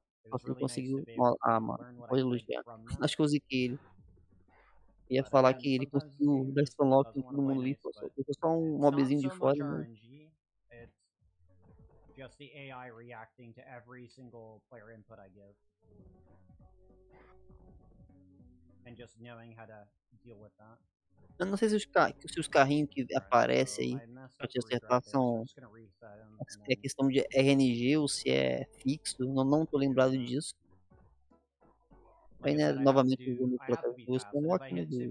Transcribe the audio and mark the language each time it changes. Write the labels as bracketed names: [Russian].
[Portuguese] Nossa, ele conseguiu. Ah, mano, olha o Lugia. Acho que eu ziquei ele. Ia falar que ele conseguiu dar stunlock em todo mundo ali. Foi só um mobzinho de fora, né? [English] Just the AI reacting to every single player input I give. And just knowing how to deal with that. [Portuguese] Eu não sei se os carrinhos que aparecem aí pra te acertar são. Se é questão de RNG ou se é fixo, não tô lembrado disso. Aí, né, novamente o jogo do Stunlock, né?